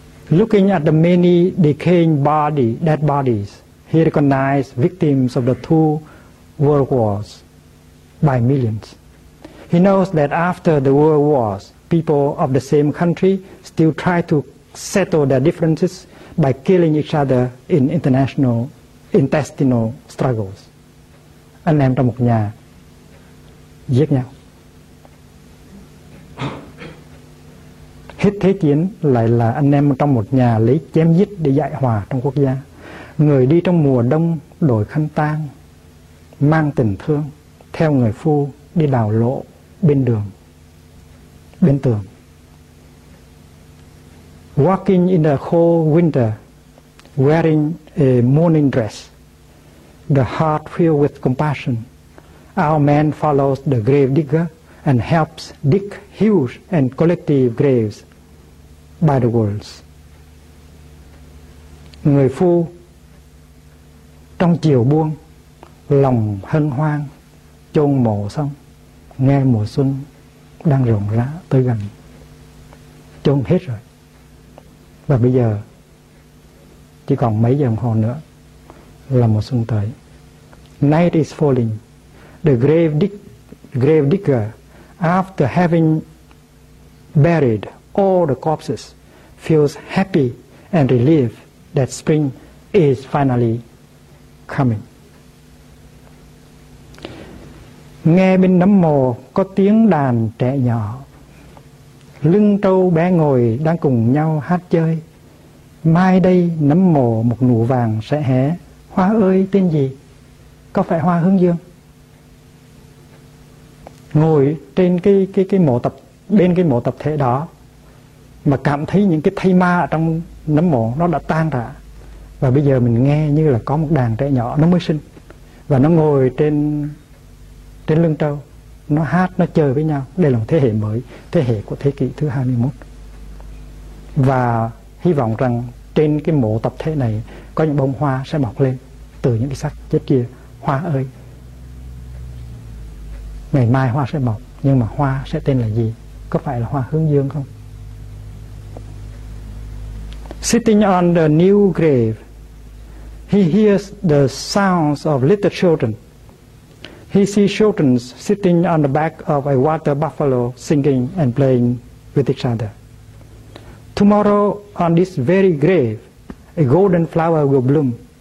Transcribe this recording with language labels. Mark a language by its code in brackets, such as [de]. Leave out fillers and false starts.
[en] Looking at the many decaying dead bodies, he recognized victims of the two world wars by millions. He knows that after the world wars, people of the same country still try to settle their differences by killing each other in international intestinal struggles. [vi] Anh em trong một nhà giết nhau. Hết thế chiến, lại là anh em trong một nhà lấy chém giết để giải hòa trong quốc gia. Người đi trong mùa đông đổi khăn tang, mang tình thương, theo người phu đi đào lỗ bên đường, bên tường. [en] Walking in the cold winter, wearing a mourning dress, the heart filled with compassion, our man follows the grave digger and helps dig huge and collective graves by the walls. [vi] Người phu trong chiều buông, lòng hân hoan, chôn mộ xong, nghe mùa xuân đang rộn rã tới gần, chôn hết rồi. Và bây giờ chỉ còn mấy giờ đồng hồ nữa là mùa xuân tới. [en] Night is falling. The grave digger, after having buried all the corpses, feels happy and relieved that spring is finally coming. [vi] Nghe bên nấm mồ có tiếng đàn trẻ nhỏ, lưng trâu bé ngồi đang cùng nhau hát chơi. Mai đây nấm mồ một nụ vàng sẽ hé, hoa ơi tên gì? Có phải hoa hướng dương? Ngồi trên cái mộ tập thể đó, mà cảm thấy những cái thây ma ở trong nấm mộ nó đã tan ra. Và bây giờ mình nghe như là có một đàn trẻ nhỏ nó mới sinh, và nó ngồi trên lưng trâu nó hát, nó chơi với nhau. Đây là một thế hệ mới, thế hệ của thế kỷ thứ 21. Và hy vọng rằng trên cái mộ tập thể này có những bông hoa sẽ mọc lên từ những cái xác chết kia. Hoa ơi, ngày mai hoa sẽ mọc, nhưng mà hoa sẽ tên là gì? Có phải là hoa hướng dương không? [en] Sitting on the new grave, he hears the sounds of little children. He sees children sitting on the back of a water buffalo singing and playing with each other. Tomorrow, on this very grave, a golden flower will bloom.